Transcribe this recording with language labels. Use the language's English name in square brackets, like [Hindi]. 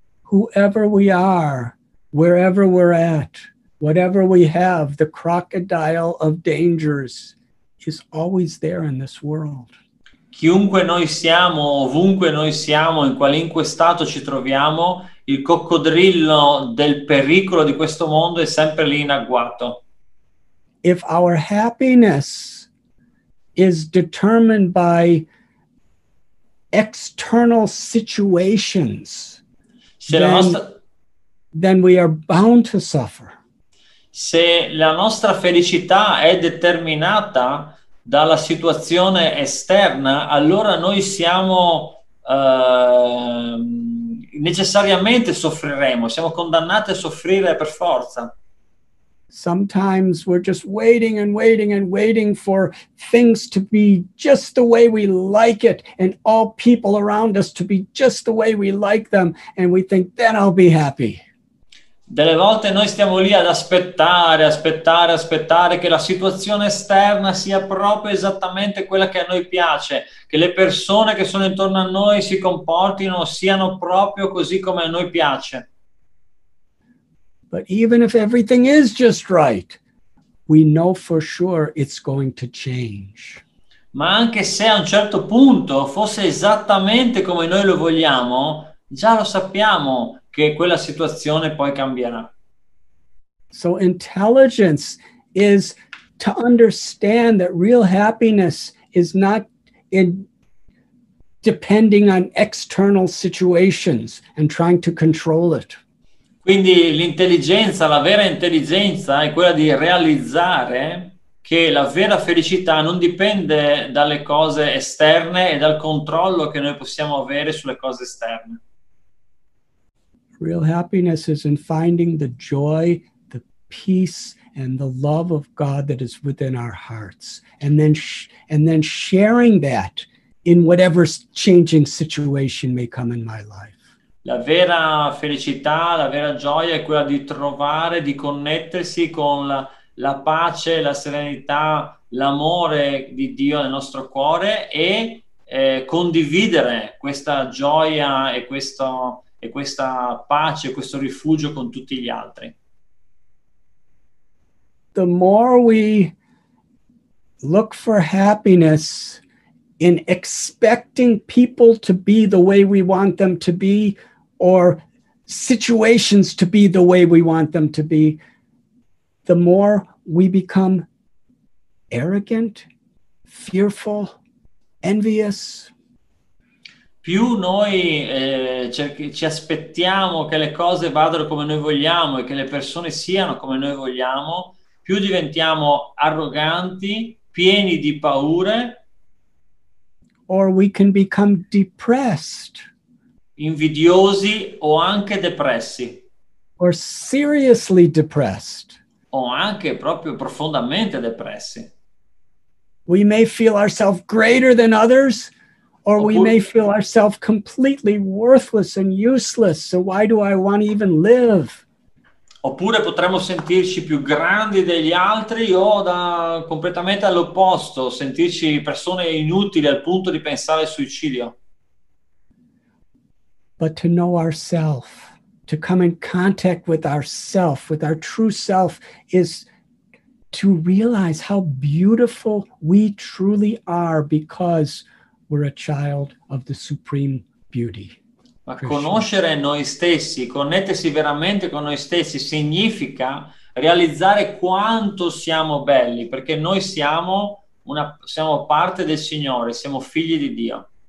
[English] Whoever we are, wherever we're at, whatever we have, the crocodile of dangers is always there in this world. [Italian] Chiunque noi siamo, ovunque noi siamo, in qualunque stato ci troviamo, il coccodrillo del pericolo di questo mondo è sempre lì in agguato. [English] If our happiness is determined by external situations, then we are bound to suffer. [Italian] Se la nostra felicità è determinata dalla situazione esterna, allora noi siamo necessariamente soffriremo, siamo condannati a soffrire per forza. [English] Sometimes we're just waiting and waiting and waiting for things to be just the way we like it and all people around us to be just the way we like them, and we think then I'll be happy. [Italian] Delle volte noi stiamo lì ad aspettare, aspettare, aspettare che la situazione esterna sia proprio esattamente quella che a noi piace, che le persone che sono intorno a noi si comportino, siano proprio così come a noi piace. [English] But even if everything is just right, we know for sure it's going to change. [Italian] Ma anche se a un certo punto fosse esattamente come noi lo vogliamo, già lo sappiamo che quella situazione poi cambierà. [English] So intelligence is to understand that real happiness is not in depending on external situations and trying to control it. [Italian] Quindi l'intelligenza, la vera intelligenza è quella di realizzare che la vera felicità non dipende dalle cose esterne e dal controllo che noi possiamo avere sulle cose esterne. [English] Real happiness is in finding the joy, the peace and the love of God that is within our hearts, and then and then sharing that in whatever changing situation may come in my life. [Italian] La vera felicità, la vera gioia è quella di trovare, di connettersi con la pace, la serenità, l'amore di Dio nel nostro cuore e condividere questa gioia e questa pace, questo rifugio con tutti gli altri. [English] The more we look for happiness in expecting people to be the way we want them to be, or situations to be the way we want them to be, the more we become arrogant, fearful, envious. [Italian] Più noi ci aspettiamo che le cose vadano come noi vogliamo e che le persone siano come noi vogliamo, più diventiamo arroganti, pieni di paure. [English] Or we can become depressed. [Italian] Invidiosi o anche depressi. [English] Or seriously depressed. [Italian] O anche proprio profondamente depressi. [English] We may feel ourselves greater than others, or we may feel ourselves completely worthless and useless. So why do I want to even live? [Italian] Oppure potremmo sentirci più grandi degli altri o da completamente all'opposto, sentirci persone inutili al punto di pensare al suicidio. [English] But to know ourself, to come in contact with ourself, with our true self, is to realize how beautiful we truly are because we're a child of the supreme beauty. [Italian] Ma conoscere noi stessi, connettersi veramente con noi stessi, significa realizzare quanto siamo belli, perché noi siamo parte del Signore, siamo figli di Dio.